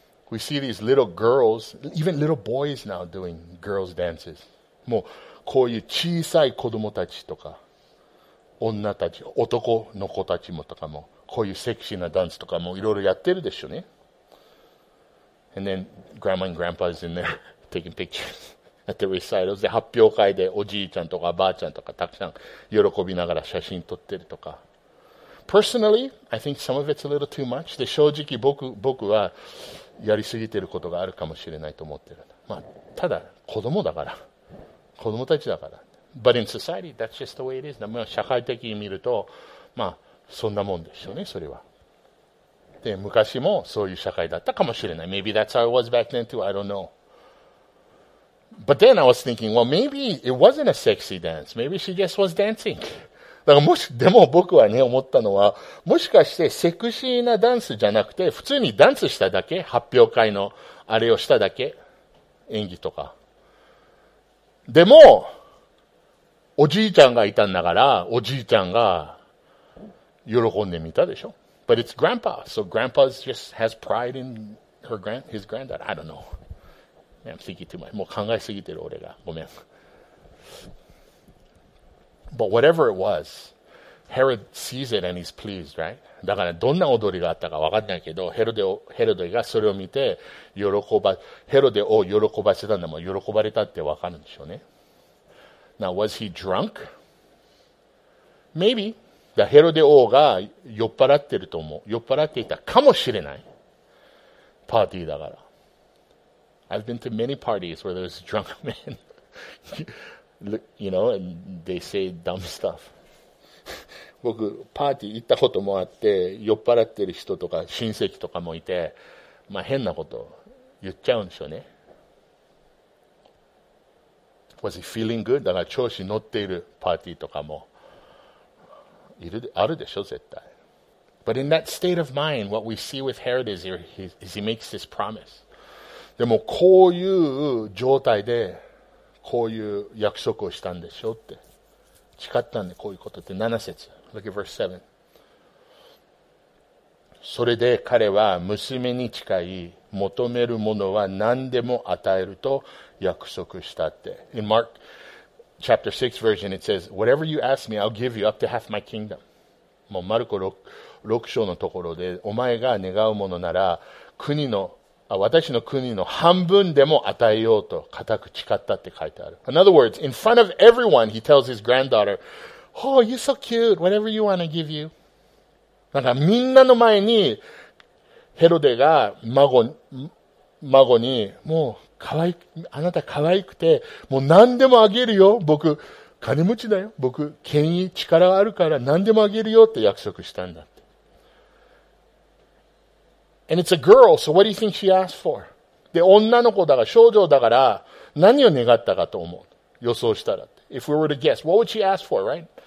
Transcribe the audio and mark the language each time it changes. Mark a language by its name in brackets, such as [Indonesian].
[English] We see these little girls, even little boys now doing girls' dances. [Japanese] もうこういう小さい子供たちとか、女たち、男の子たちもとかも、こういうセクシーなダンスとかもいろいろやってるでしょうね。 [English] And then grandma and grandpa is in there taking pictures at the recitals. [Japanese] で、発表会でおじいちゃんとかばあちゃんとかたくさん喜びながら写真撮ってるとか。 [English] personally, I think some of it's a little too much. [Japanese] で、正直僕はやりすぎてることがあるかもしれないと思ってる。まあ、ただ、子供だから。子供たちだから。 [English] But in society, that's just the way it is. [Japanese] 社会的に見ると、まあ、そんなもんでしょうね、それは。で、昔もそういう社会だったかもしれない。 [English] Maybe that's how it was back then too, I don't know. But then I was thinking, well, maybe it wasn't a sexy dance. Maybe she just was dancing. [Japanese] だからもし、でも僕はね、思ったのは、もしかしてセクシーなダンスじゃなくて、普通にダンスしただけ、発表会のあれをしただけ、演技とか。でも、おじいちゃんがいたんだから、おじいちゃんが喜んでみたでしょ。 [English] But it's grandpa. So grandpa just has pride in his granddad. I don't know. I'm thinking too much. [Japanese] もう考えすぎてる俺が。ごめん。 [English] But whatever it was, Herod sees it and he's pleased, right? [Japanese] だからどんな踊りがあったか分かんないけど、ヘロデがそれを見て、ヘロデを喜ばせたんだもん。喜ばれたって分かるんでしょうね。 [English] Now, was he drunk? Maybe. [Japanese] だヘロデ王が酔っ払ってると思う。酔っ払っていたかもしれない。パーティーだから。 [English] I've been to many parties where there's drunk men, you know, and they say dumb stuff. [Japanese] 僕パーティー行ったこともあって、酔っ払ってる人とか親戚とかもいて、まあ変なこと言っちゃうんでしょうね。 [English] Was he feeling good? [Japanese] だから調子乗っているパーティーとかもいるあるでしょ絶対。 [English] But in that state of mind, what we see with Herod is he makes this promise. [Japanese] でもこういう状態でこういう約束をしたんでしょうって誓ったんでこういうことって7節 [English] Look at verse 7. [Japanese] それで彼は娘に誓い求めるものは何でも与えると約束したって [English] In Mark chapter 6 version it says Whatever you ask me I'll give you up to half my kingdom [Japanese] もうマルコ 6章のところでお前が願うものなら国の私の国の半分でも与えようと固く誓ったって書いてある。 [English] In other words, in front of everyone, he tells his granddaughter, Oh, you're so cute, whatever you want to give you. [Japanese] なんかみんなの前に、ヘロデが孫に、もう可愛く、あなた可愛くて、もう何でもあげるよ、僕、金持ちだよ、僕、権威、力があるから何でもあげるよって約束したんだ。 [English] And it's a girl, so what do you think she asked for? [Japanese] で、女の子だから、少女だから、何を願ったかと思う。予想したら。 [English] If we were to guess, what would she ask for, right?